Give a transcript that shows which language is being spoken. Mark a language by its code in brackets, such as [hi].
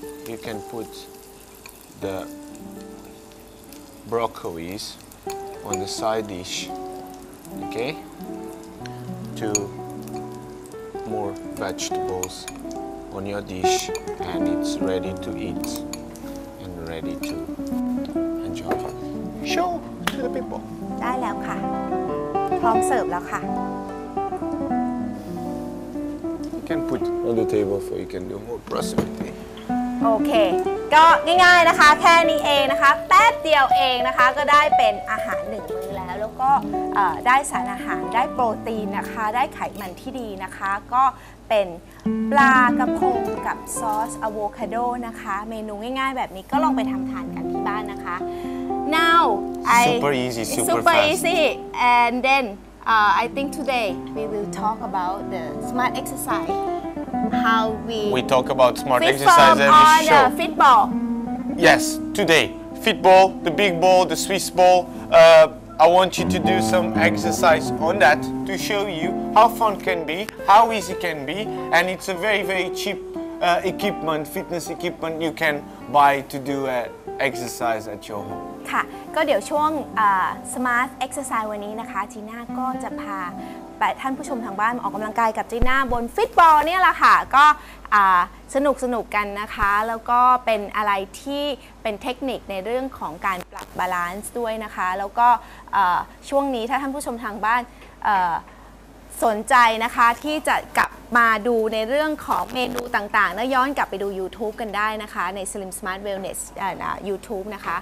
[en] You can put the broccolis on the side dish. Okay, to. More vegetables on your dish, and it's ready to eat and ready to enjoy. Show to the people. [th] ได้แล้วค่ะพร้อมเสิร์ฟแล้วค่ะ [en] You can put on the table for you can do more proximity. [th] Okay, ก็ง่ายๆนะคะแค่นี้เองนะคะแป๊บเดียวเองนะคะก็ได้เป็นอาหารหนึ่งก็ได้สารอาหารได้โปรตีนนะคะได้ไขมันที่ดีนะคะก็เป็นปลากระพงกับซอสอะโวคาโดนะคะเมนูง่ายๆแบบนี้ก็ลองไปทำทานกันที่บ้านนะคะ now [en] I super easy super easy and then I think today we will talk about the smart exercise how we talk about smart exercise every show on fit ball yes today fit ball the big ball the Swiss ball I want you to do some exercise on that to show you how fun can be, how easy can be, and it's a very, very cheap equipment, fitness equipment you can buy to do an exercise at your home. [th] ค่ะก็เดี๋ยวช่วง smart exercise วันนี้นะคะจีน่าก็จะพาไปท่านผู้ชมทางบ้านออกกำลังกายกับจีน่าบนฟิตบอลเนี่ยแหละค่ะก็สนุกกันนะคะแล้วก็เป็นอะไรที่เป็นเทคนิคในเรื่องของการปรับบาลานซ์ด้วยนะคะแล้วก็ช่วงนี้ถ้าท่านผู้ชมทางบ้านสนใจนะคะที่จะกลับมาดูในเรื่องของเมนูต่างๆแล้วย้อนกลับไปดู YouTube กันได้นะคะใน Slim Smart Wellness YouTube นะคะ